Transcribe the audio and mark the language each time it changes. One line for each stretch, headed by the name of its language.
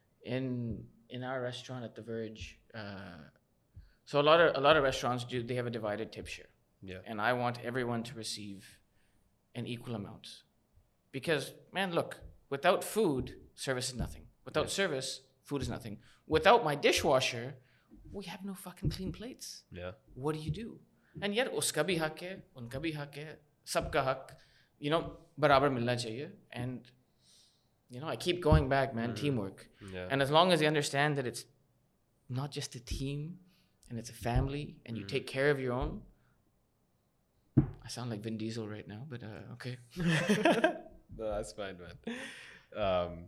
English: In our restaurant at The Verge, So a lot of restaurants do, they have a divided tip share. Yeah. And I want everyone to receive an equal amount. Because, man, look, without food, service is nothing. Without service, food is nothing. Without my dishwasher, we have no fucking clean plates. Yeah. What do you do?
Hindi: And yet, उसका भी हक़ है, उनका भी हक़ है, सबका हक़, you know, बराबर मिलना चाहिए।
English: And, you know, I keep going back, man, teamwork. Yeah. And as long as you understand that it's not just a team and it's a family and you take care of your own, I sound like Vin Diesel right now, but okay. No, that's fine, man.